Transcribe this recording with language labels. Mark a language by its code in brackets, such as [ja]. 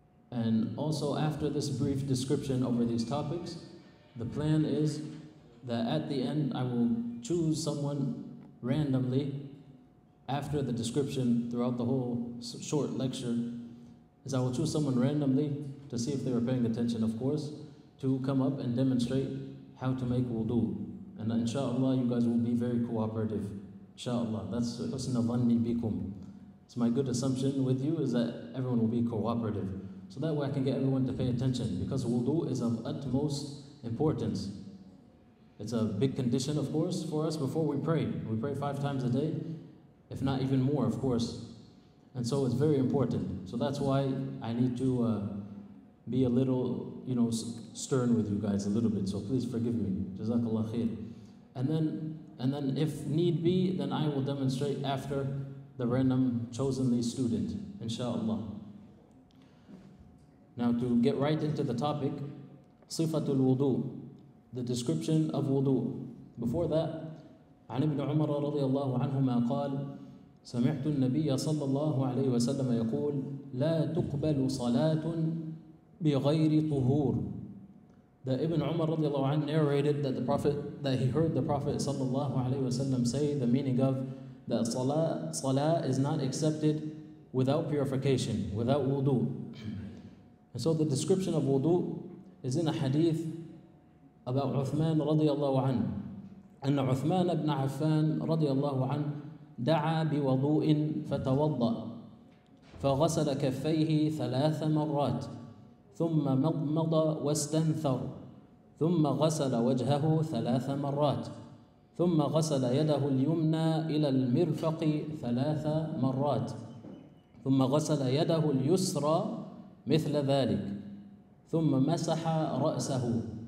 [en] And also, after this brief description over these topics, the plan is that at the end I will choose someone randomly after the description throughout the whole short lecture, is I will choose someone randomly to see if they were paying attention, of course, to come up and demonstrate how to make wudu. And inshallah, you guys will be very cooperative. Inshallah, that's [ar] حسن ظني بكم. [en] So my good assumption with you is that everyone will be cooperative. So that way I can get everyone to pay attention, because wudu is of utmost importance. It's a big condition, of course, for us before we pray. We pray 5 times a day, if not even more, of course. And so it's very important. So that's why I need to be a little, you know, stern with you guys a little bit. So please forgive me. Jazakallah khair. And then if need be, then I will demonstrate after the random chosenly student, inshallah. Now, to get right into the topic, sifatul wudu, the description of wudu. Before that, [ar] عن ابن عمر رضي الله عنهما قال سمعت النبي صلى الله عليه وسلم يقول لا تقبل صلاة بغير طهور. [en] That ابن عمر رضي الله عنه narrated that the prophet, that he heard the prophet صلى الله عليه وسلم say the meaning of that salah is not accepted without purification, without wudu. And so the description of wudu is in a hadith about Uthman رضي الله عنه. [ar] أن عثمان بن عفان رضي الله عنه دعا بوضوء فتوضأ فغسل كفيه 3 مرات ثم مضمض واستنثر ثم غسل وجهه 3 مرات ثم غسل يده اليمنى إلى المرفق 3 مرات ثم غسل يده اليسرى مثل ذلك ثم مسح رأسه